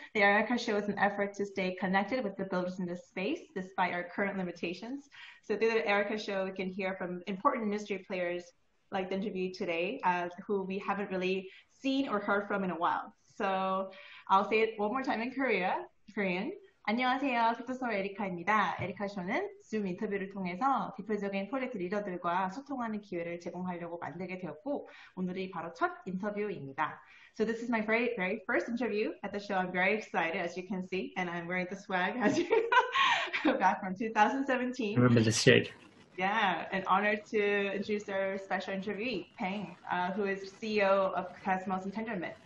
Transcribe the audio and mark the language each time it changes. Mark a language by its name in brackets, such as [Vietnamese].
[English] The Erica Show is an effort to stay connected with the builders in this space, despite our current limitations. So through the Erica Show, we can hear from important industry players like the interview today, who we haven't really seen or heard from in a while. So I'll say it one more time in Korean. [Korean] 안녕하세요. 소통하는 에리카입니다. 에리카쇼는 Zoom 인터뷰를 통해서 대표적인 프로젝트 리더들과 소통하는 기회를 제공하려고 만들게 되었고 오늘이 바로 첫 인터뷰입니다. [English] So this is my very, very first interview at the show. I'm very excited, as you can see, and I'm wearing the swag as you go back from 2017. Remember this shade. Yeah, an honor to introduce our special interviewee, Peng, who is CEO of Cosmos and Tendermint.